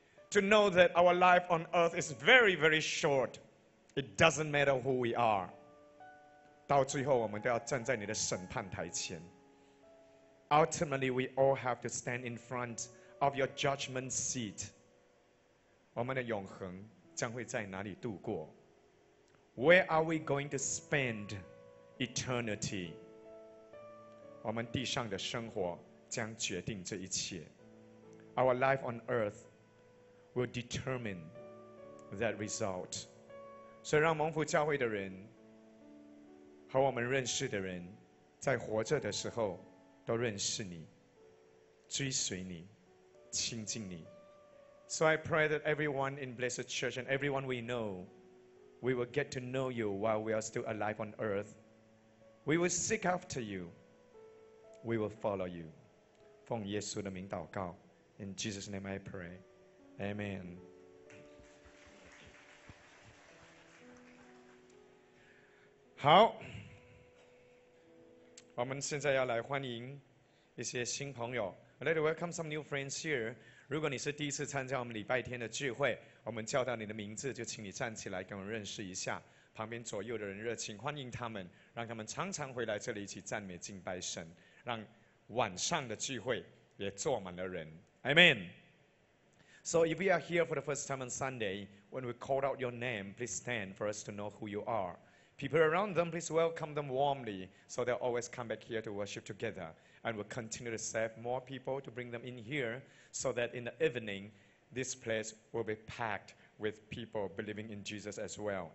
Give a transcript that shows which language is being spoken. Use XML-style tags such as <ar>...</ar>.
<en>To know that our life on earth is very, very short. It doesn't matter who we are.</en> <zh>到最后我们都要站在你的审判台前。</zh> <en>Ultimately, we all have to stand in front of your judgment seat.</en> <zh>我们的永恒将会在哪里度过？</zh> <en>Where are we going to spend eternity?</en> <zh>我们地上的生活将决定这一切。</zh> <en>Our life on earth,will determine that result.</en> <zh>所以让蒙福教会的人和我们认识的人在活着的时候都认识你，追随你，亲近你。</zh> <en>So I pray that everyone in Blessed Church and everyone we know, we will get to know you while we are still alive on earth. We will seek after you. We will follow you.</en> <zh>奉耶稣的名祷告，</zh> <en>In Jesus' name I pray. Amen.</en> <zh>好，我们现在要来欢迎一些新朋友。</zh> <en>I'd like to welcome some new friends here.</en> <zh>如果你是第一次参加我们礼拜天的聚会，我们叫到你的名字，就请你站起来跟我们认识一下。旁边左右的人热情欢迎他们，让他们常常回来这里一起赞美敬拜神，让晚上的聚会也坐满了人。</zh> <en>Amen. So if you are here for the first time on Sunday, when we call out your name, please stand for us to know who you are. People around them, please welcome them warmly so they'll always come back here to worship together. And we'll continue to serve more people to bring them in here so that in the evening, this place will be packed with people believing in Jesus as well.</en>